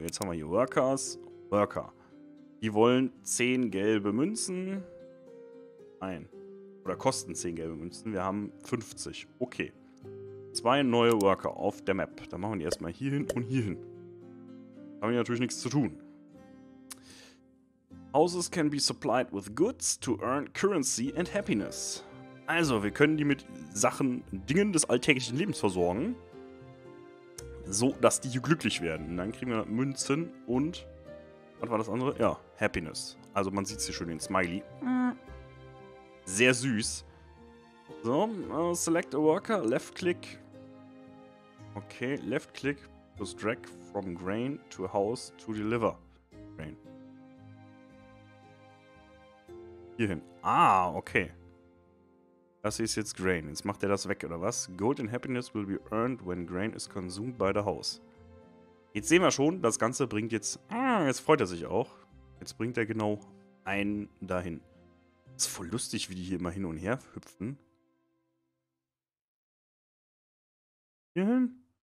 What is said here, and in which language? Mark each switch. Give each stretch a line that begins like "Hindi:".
German: Jetzt haben wir hier Workers. Worker. Die wollen 10 gelbe Münzen. Nein. Oder kosten 10 gelbe Münzen. Wir haben 50. Okay. Zwei neue Worker auf der Map. Dann machen wir die erstmal hier hin und hier hin. Da haben wir natürlich nichts zu tun.
English: Houses can be supplied with goods to earn currency and happiness.
German: Also, wir können die mit Sachen, Dingen des alltäglichen Lebens versorgen. So, dass die hier glücklich werden. Und dann kriegen wir Münzen und... Was war das andere? Ja, Happiness. Also, man sieht es hier schön, den Smiley. Sehr süß.
English: So, select a worker, left click. Okay, left click plus drag from grain to house to deliver grain.
German: Hierhin. Ah, okay. Das ist jetzt grain. Jetzt macht er das weg, oder was?
English: Gold and happiness will be earned when grain is consumed by the house.
German: Jetzt sehen wir schon, das Ganze bringt jetzt... jetzt freut er sich auch. Jetzt bringt er genau einen dahin. Ist voll lustig, wie die hier immer hin und her hüpfen. Hierhin.